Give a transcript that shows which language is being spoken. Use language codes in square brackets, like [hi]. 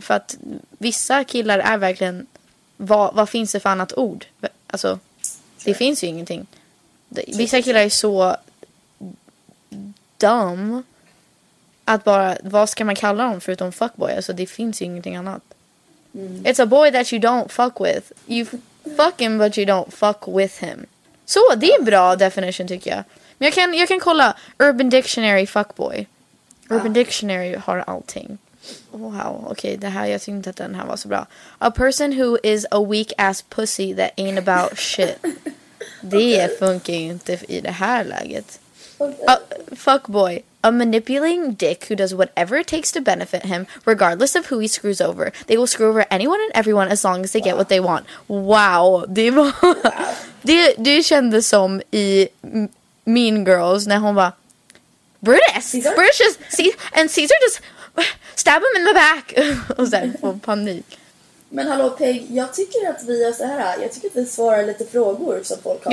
[sv] För att vissa killar är verkligen... Vad finns det för annat ord? Alltså, sure. Det finns ju ingenting. Vissa killar är så... dumb. Att bara, vad ska man kalla dem förutom fuckboy? Alltså det finns ju ingenting annat. Mm. [en] It's a boy that you don't fuck with. You fuck him but you don't fuck with him. [sv] Så, det är en bra definition tycker jag. Men jag kan kolla Urban Dictionary fuckboy. Urban Dictionary har allting. Wow, okej, det här, jag tyckte att den här var så bra. [en] A person who is a weak ass pussy that ain't about shit. [sv] Det funkar ju inte i det här läget. [en] A fuckboy. A manipulating dick who does whatever it takes to benefit him, regardless of who he screws over. They will screw over anyone and everyone as long as they get what they want. [sv] Wow. Det var... Det kändes som i Mean Girls när hon var... [en] Brutus! Brutus just... And Caesar just... Stab him in the back! [sv] Och sen får panik. Men hallå, Peg. Jag tycker att vi gör så här. Jag tycker att vi svarar lite frågor som folk har.